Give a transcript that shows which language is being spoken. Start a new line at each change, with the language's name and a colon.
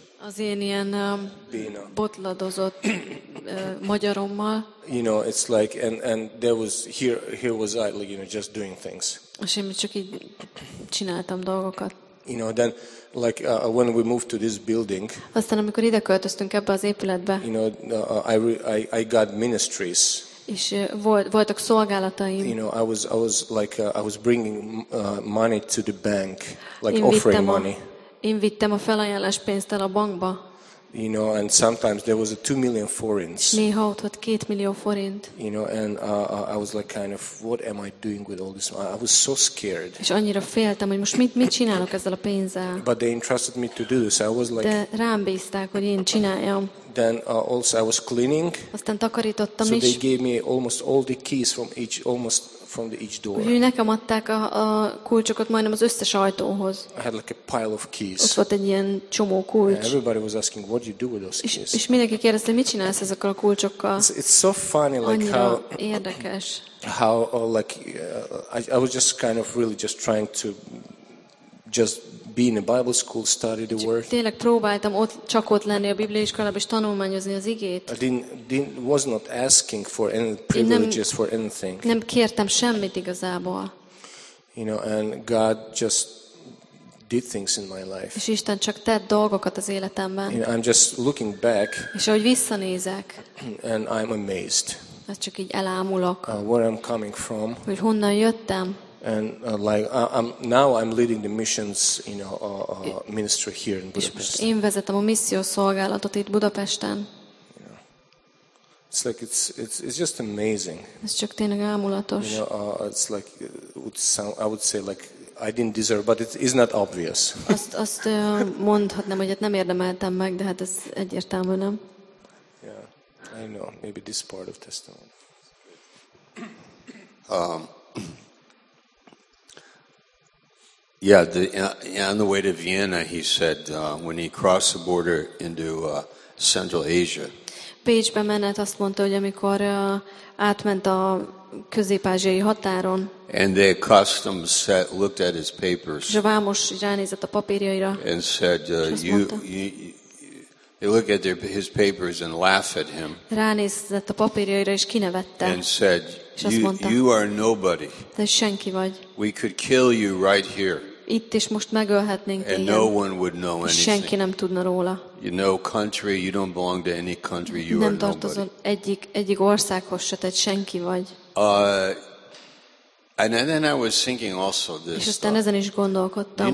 Hungarian: Az én ilyen botladozott magyarommal.
English: You know, it's like and there was here was I, like, you know, just doing things.
Hungarian: És én csak így csináltam dolgokat.
English: You know, then like when we moved to this building.
Hungarian: Aztán amikor ide költöztünk ebbe az épületbe.
English: You know, I got ministries.
Hungarian: És voltak szolgálataim.
English: You know, I was bringing money to the bank, like offering money.
Hungarian: Én vittem a felajánlás pénzt el a bankba.
English: You know, and sometimes there was a 2 million forints.
Hungarian: Néha ott volt 2 millió forint.
English: You know, and I was like kind of, what am I doing with all this money? I was so scared.
Hungarian: És annyira féltem, hogy most mit csinálok ezzel a pénzzel.
English: But they entrusted me to do this. I was like.
Hungarian: De rám bízták, hogy én csináljam.
English: Then also I was cleaning.
Hungarian: Aztán takarítottam is.
English: So they gave me almost all the keys from each, almost from the each door.
Hungarian: Úgyhogy nekem adták a kulcsokat majdnem az összes ajtóhoz.
English: I had like a pile of keys.
Hungarian: Ott volt egy ilyen csomó kulcs.
English: And everybody was asking, what do you do with those keys?
Hungarian: És mindenki kérdezte, mit csinálsz ezekkel a kulcsokkal?
English: It's so funny, like
Hungarian: annyira
English: how
Hungarian: érdekes.
English: How like I was just kind of really just trying to just be in a Bible school, study the word.
Hungarian: Tényleg próbáltam ott csak ott lenni a Biblia iskolában és tanulmányozni az igét.
English: Was not asking for any privileges, for anything.
Hungarian: Nem kértem semmit igazából.
English: You know, and God just did things in my life.
Hungarian: És Isten csak tett dolgokat az életemben.
English: You know, I'm just looking back.
Hungarian: És ahogy visszanézek.
English: And I'm amazed.
Hungarian: Ez csak így elámulok.
English: Where I'm coming from.
Hungarian: Hogy honnan jöttem.
English: And like I'm now leading the missions, you know, ministry here in Budapest.
Hungarian: Én vezetem a missziós szolgálatot itt Budapesten.
English: It's like it's just amazing.
Hungarian: Ez csak tényleg ámulatos.
English: You know, it's like I would say like I didn't deserve, but it is not obvious.
Hungarian: Azt mondhatnám, hogy nem érdemeltem meg, de hát ez egyértelmű, nem?
English: Yeah, I know. Maybe this part of testimony. Yeah, on the way to Vienna, he said when he crossed the border into Central Asia.
Hungarian: Bécsbe menet, azt mondta, hogy amikor átment a közép-ázsiai határon.
English: And the customs set looked at his papers.
Hungarian: És a vámos ránézett a papírjaira.
English: And said, you look at his papers and laugh at him.
Hungarian: Ránézett a papírjaira és kinevette.
English: And said, you are nobody.
Hungarian: Te senki vagy.
English: We could kill you right here.
Hungarian: Itt is most megölhetnénk téged.
English: And no one would know anything.
Hungarian: Senki nem tudna róla.
English: You know, country, you don't belong to any country, you are nobody.
Hungarian: Nem tartozol egyik országhoz, se, tehát senki vagy.
English: And then I was thinking also this.
Hungarian: És aztán ezen is gondolkodtam.